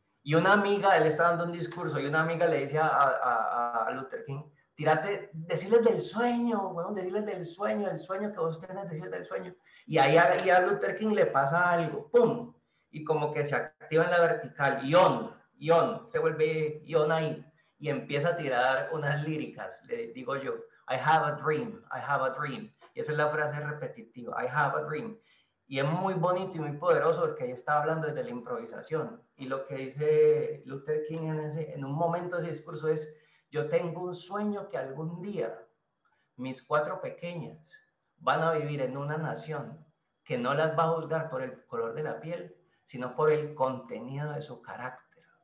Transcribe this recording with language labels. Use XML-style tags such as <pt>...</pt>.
<es>Y una amiga, él está dando un discurso, y una amiga le dice a Luther King, tírate, decirles del sueño, bueno, decirles del sueño, el sueño que vos tenés, decirles del sueño. Y ahí a Luther King le pasa algo, pum, y como que se activa en la vertical, y on. Ion, se vuelve Ion ahí y empieza a tirar unas líricas. Le digo yo,</es> <en>I have a dream, I have a dream.</en> <es>Y esa es la frase repetitiva,</es> <en>I have a dream.</en> <es>Y es muy bonito y muy poderoso porque ahí está hablando desde la improvisación. Y lo que dice Luther King en un momento de ese discurso es, yo tengo un sueño que algún día mis cuatro pequeñas van a vivir en una nación que no las va a juzgar por el color de la piel, sino por el contenido de su carácter.</es>